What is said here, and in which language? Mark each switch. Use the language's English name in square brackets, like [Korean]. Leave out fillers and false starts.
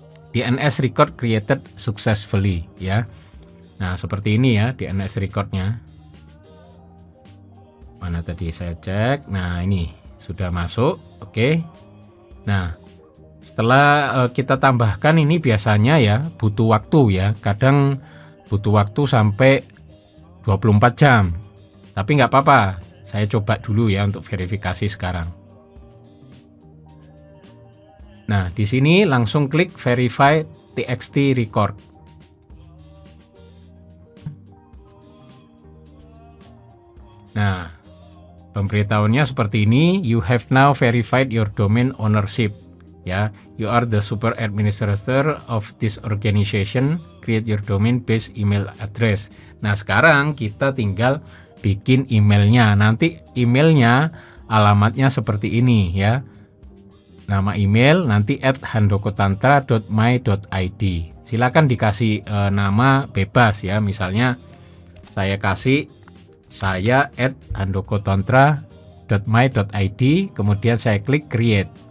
[English] DNS record created successfully ya. [Indonesian] Nah, seperti ini ya DNS record-nya. Mana tadi saya cek. Nah, ini sudah masuk. Oke. Nah, setelah kita tambahkan ini biasanya ya butuh waktu ya. Kadang butuh waktu sampai 24 jam. Tapi enggak apa-apa. Saya coba dulu ya untuk verifikasi sekarang. Nah, di sini langsung klik verify TXT record. Nah, pemberitahuannya seperti ini, [English] you have now verified your domain ownership. Ya, you are the super administrator of this organization. Create your domain based email address. [Indonesian] Nah, sekarang kita tinggal bikin emailnya. Nanti emailnya alamatnya seperti ini ya. Nama email nanti @handokotantra.my.id. Silakan dikasih nama bebas ya. Misalnya saya kasih saya @handokotantra.my.id, kemudian saya klik create.